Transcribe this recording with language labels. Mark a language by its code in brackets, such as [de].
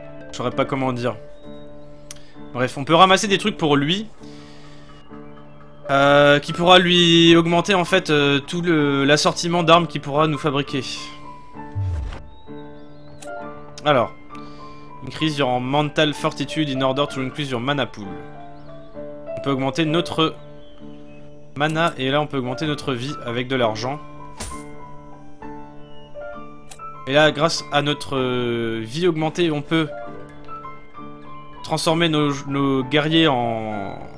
[fr] Je saurais pas comment dire. Bref, on peut ramasser des trucs pour lui. Qui pourra lui augmenter en fait tout l'assortiment d'armes qu'il pourra nous fabriquer. Alors. [en] Increase your mental fortitude in order to increase your mana pool. [fr] On peut augmenter notre mana et là on peut augmenter notre vie avec de l'argent. Et là, grâce à notre vie augmentée, on peut transformer nos guerriers en...